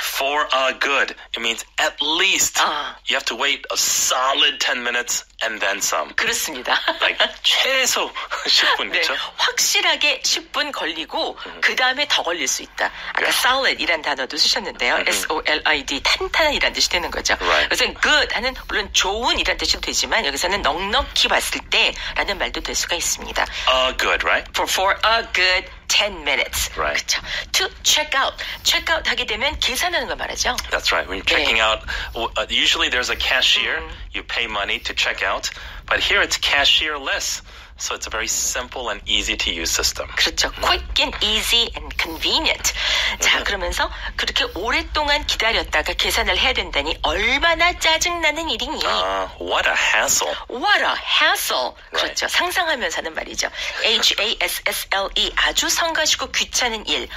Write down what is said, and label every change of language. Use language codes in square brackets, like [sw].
[en] For a good it means at least you have to wait a solid 10 minutes and then some. [ko] 그렇습니다. Like 최소 10분 네, 그렇죠? 확실하게 10분 걸리고 그 다음에 더 걸릴 수 있다. 아까 yeah. solid 이란 단어도 쓰셨는데요. S-O-L-I-D 탄탄한 이란 뜻이 되는 거죠. [en] Right. [ko] 그래서 good 하는 물론 좋은 이란 뜻이 되지만 여기서는 넉넉히 봤을 때 라는 말도 될 수가 있습니다. [en] A good right? For a good 10 minutes. Right. [ko] 그렇죠. [en] To check out. [ko] Check out 하게 되면 계산하는 거 말하죠. [en] That's right. When you're checking 네. out, usually there's a cashier. You pay money to check out. But here it's cashierless. So it's a very simple and easy to use system. [ko] 그렇죠. [en] Quick and easy and convenient. [ko] 자, 그러면서 그렇게 오랫동안 기다렸다가 계산을 해야 된다니 얼마나 짜증나는 일이니? [en] What a hassle. What a hassle. [ko] 그렇죠. [en] Right. [ko] 상상하면서 하는 말이죠. [en] H-A-S-S-L-E. [ko] 아주 성가시고 귀찮은 일.